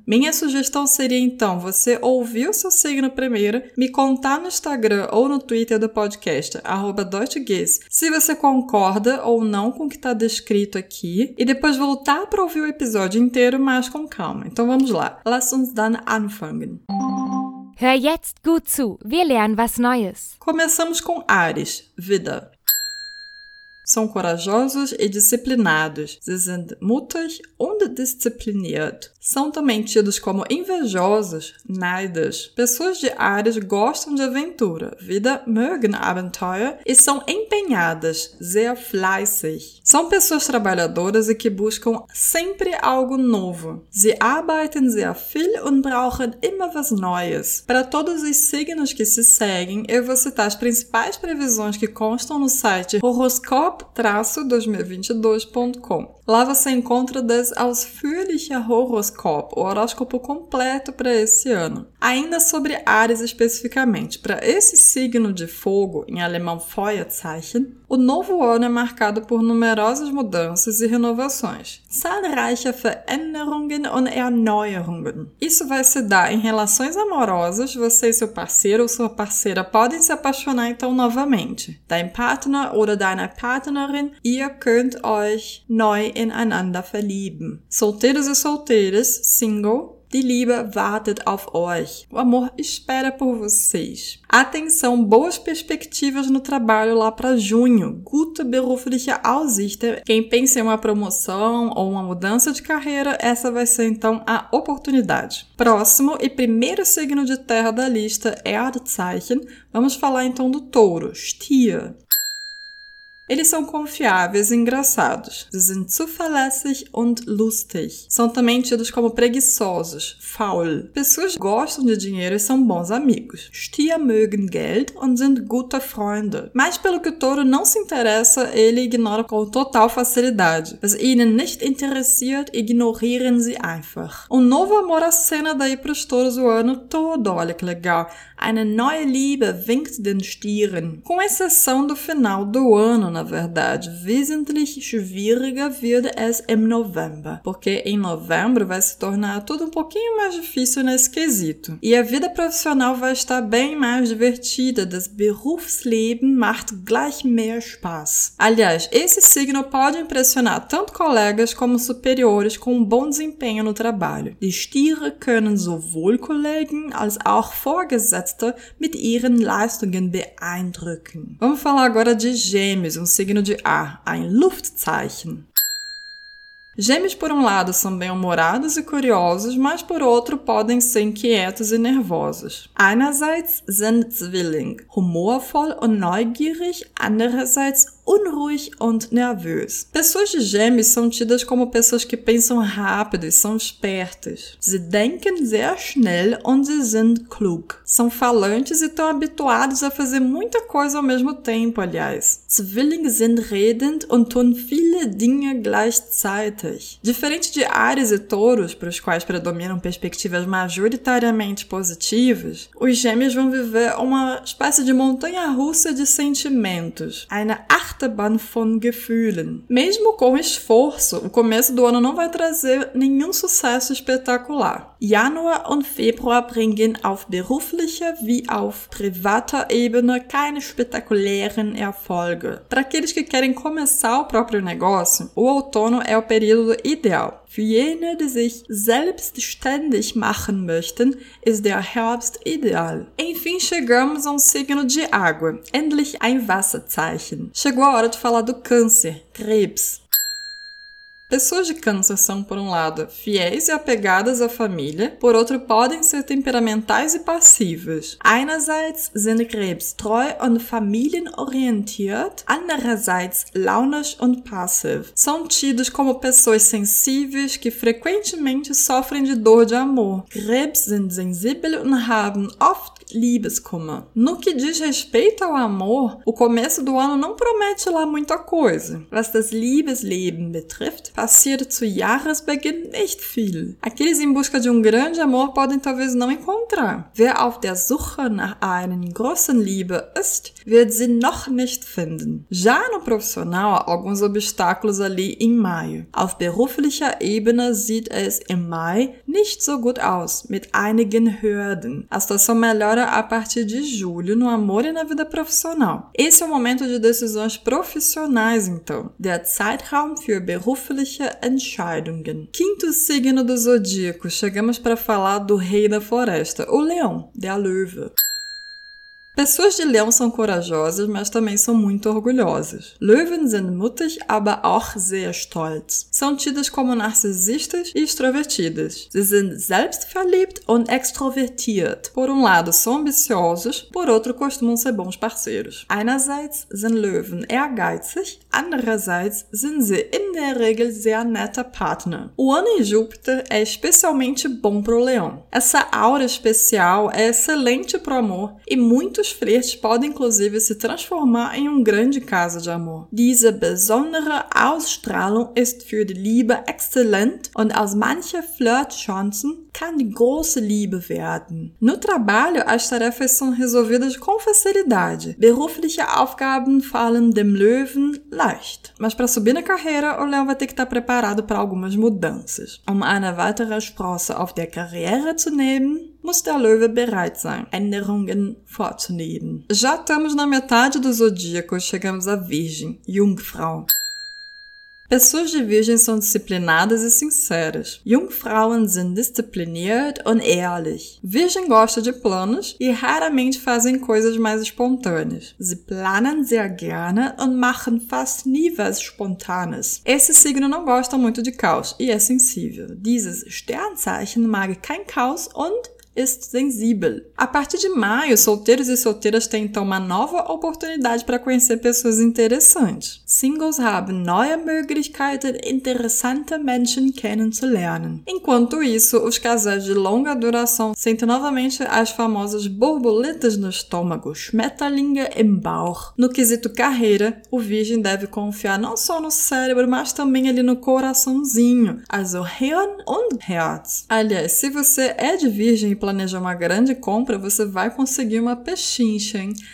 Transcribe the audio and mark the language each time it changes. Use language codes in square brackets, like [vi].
[pt] Minha sugestão seria, então, você ouvir o seu signo primeiro, me contar no Instagram ou no Twitter do podcast, @deutschgeis, se você concorda ou não com o que está descrito aqui, e depois voltar para ouvir o episódio inteiro, mas com calma. Então vamos lá. [de] Lass uns dann anfangen. Hör jetzt gut zu. Wir lernen was Neues. [pt] Começamos com Áries, vida. São corajosos e disciplinados. [de] Sie sind mutig und diszipliniert. [pt] São também tidos como invejosos, neidisch. Pessoas de Áries gostam de aventura, vida, [de] mögen Abenteuer, [pt] e são empenhadas, [de] sehr fleißig. [pt] São pessoas trabalhadoras e que buscam sempre algo novo. [de] Sie arbeiten sehr viel und brauchen immer was Neues. [pt] Para todos os signos que se seguem, eu vou citar as principais previsões que constam no site horoscope-2022.com. Lá você encontra [de] das ausführliche Horoscope, [pt] o horóscopo completo para esse ano. Ainda sobre Áries especificamente, para esse signo de fogo, em alemão Feuerzeichen, o novo ano é marcado por numerosas mudanças e renovações. [de] Zahlreiche Veränderungen und Erneuerungen. [pt] Isso vai se dar em relações amorosas, você e seu parceiro ou sua parceira podem se apaixonar então novamente. [de] Dein Partner oder deine Partnerin, ihr könnt euch neu ineinander verlieben. [pt] Solteiros e solteiras, [de] single, die Liebe wartet auf euch. [pt] O amor espera por vocês. Atenção, boas perspectivas no trabalho lá para junho. [de] Gute berufliche Aussichten. [pt] Quem pensa em uma promoção ou uma mudança de carreira, essa vai ser então a oportunidade. Próximo e primeiro signo de terra da lista é Erdzeichen. Vamos falar então do touro, Stier. Eles são confiáveis e engraçados. [de] Sie sind zuverlässig und lustig. [pt] São também tidos como preguiçosos. Faul. Pessoas gostam de dinheiro e são bons amigos. [de] Stier mögen Geld und sind gute Freunde. [pt] Mas pelo que o touro não se interessa, ele ignora com total facilidade. [de] Was ihnen nicht interessiert, ignorieren sie einfach. [pt] Um novo amor acena daí para os touros o ano todo. Olha que legal. [de] Eine neue Liebe winkt den Stieren. [pt] Com exceção do final do ano. Na verdade, [de] wesentlich schwieriger wird es im November. [pt] Porque em novembro vai se tornar tudo um pouquinho mais difícil nesse quesito. E a vida profissional vai estar bem mais divertida. [de] Das Berufsleben macht gleich mehr Spaß. [pt] Aliás, esse signo pode impressionar tanto colegas como superiores com um bom desempenho no trabalho. [de] Die Stiere können sowohl Kollegen als auch Vorgesetzte mit ihren Leistungen beeindrucken. [pt] Vamos falar agora de Gêmeos. Um signo de ar, [de] ein Luftzeichen. [pt] Gêmeos, por um lado, são bem-humorados e curiosos, mas por outro, podem ser inquietos e nervosos. [de] Einerseits sind Zwillinge humorvoll und neugierig, andererseits unruhig und nervös. [pt] Pessoas de gêmeos são tidas como pessoas que pensam rápido e são espertas. [de] Sie denken sehr schnell und sie sind klug. [pt] São falantes e estão habituados a fazer muita coisa ao mesmo tempo, aliás. [de] Zwillinge sind redend und tun viele Dinge gleichzeitig. [pt] Diferente de Áries e Touros, para os quais predominam perspectivas majoritariamente positivas, os gêmeos vão viver uma espécie de montanha-russa de sentimentos. [de] Eine Achterbahn von Gefühlen. [pt] Mesmo com esforço, o começo do ano não vai trazer nenhum sucesso espetacular. [de] Januar und Februar bringen auf beruflicher wie auf privater Ebene keine spektakulären Erfolge. [pt] Para aqueles que querem começar o próprio negócio, o outono é o período ideal. [de] Für jene, die sich selbstständig machen möchten, ist der Herbst ideal. [pt] Enfim, chegamos a um signo de água. [de] Endlich ein Wasserzeichen. [pt] Chegou a hora de falar do câncer, Krebs. Pessoas de câncer são, por um lado, fiéis e apegadas à família, por outro, podem ser temperamentais e passivas. [de] Einerseits sind Krebs treu und familienorientiert, andererseits launisch und passiv. [pt] São tidos como pessoas sensíveis que frequentemente sofrem de dor de amor. [de] Krebs sind sensibel und haben oft Liebeskummer. [pt] No que diz respeito ao amor, o começo do ano não promete lá muita coisa. [de] Was das Liebesleben betrifft, passiert zu Jahresbeginn nicht viel. [pt] Aqueles em busca de um grande amor podem talvez não encontrar. [de] Wer auf der Suche nach einer großen Liebe ist, wird sie noch nicht finden. [pt] Já no profissional, há alguns obstáculos ali em maio. [de] Auf beruflicher Ebene sieht es im Mai nicht so gut aus, mit einigen Hürden. [pt] A situação melhor a partir de julho, no amor e na vida profissional. Esse é o momento de decisões profissionais, então. [de] Der Zeitraum für berufliche Entscheidungen. [pt] Quinto signo do zodíaco. Chegamos para falar do rei da floresta, o leão, der Löwe. Pessoas de leão são corajosas, mas também são muito orgulhosas. [de] Löwen sind mutig, aber auch sehr stolz. [pt] São tidas como narcisistas e extrovertidas. [de] Sie sind selbstverliebt und extrovertiert. [pt] Por um lado, são ambiciosos, por outro, costumam ser bons parceiros. [de] Einerseits sind Löwen ehrgeizig, andererseits sind sie in der Regel sehr netter Partner. [pt] O ano em Júpiter é especialmente bom para o leão. Essa aura especial é excelente para o amor e muito os flertes podem, inclusive, se transformar em um grande caso de amor. [de] Diese besondere Ausstrahlung ist für die Liebe excellent und aus mancher Flirtchancen kann die große Liebe werden. [pt] No trabalho, as tarefas são resolvidas com facilidade. [de] Berufliche Aufgaben fallen dem Löwen leicht. [pt] Mas para subir na carreira, o Leão vai ter que estar preparado para algumas mudanças. [de] Eine weitere Sprosse auf der Karriere zu nehmen, muss der Löwe bereit sein, Änderungen vorzunehmen. [pt] Já estamos na metade do zodíaco, chegamos à Virgem, Jungfrau. Pessoas de Virgem são disciplinadas e sinceras. [de] Jungfrauen sind diszipliniert und ehrlich. [pt] Virgem gosta de planos e raramente fazem coisas mais espontâneas. [de] Sie planen sehr gerne und machen fast nie was Spontanes. [pt] Esse signo não gosta muito de caos e é sensível. [de] Dieses Sternzeichen mag kein Chaos und ist sensível. [pt] A partir de maio, solteiros e solteiras têm então uma nova oportunidade para conhecer pessoas interessantes. [de] Singles haben neue Möglichkeiten, interessante Menschen kennenzulernen. [pt] Enquanto isso, os casais de longa duração sentem novamente as famosas borboletas no estômago, [de] Schmetterlinge im Bauch. [pt] No quesito carreira, o virgem deve confiar não só no cérebro, mas também ali no coraçãozinho. [de] Also Hirn und Herz. [pt] Aliás, se você é de virgem planeja uma grande compra, você vai conseguir uma pechincha, hein?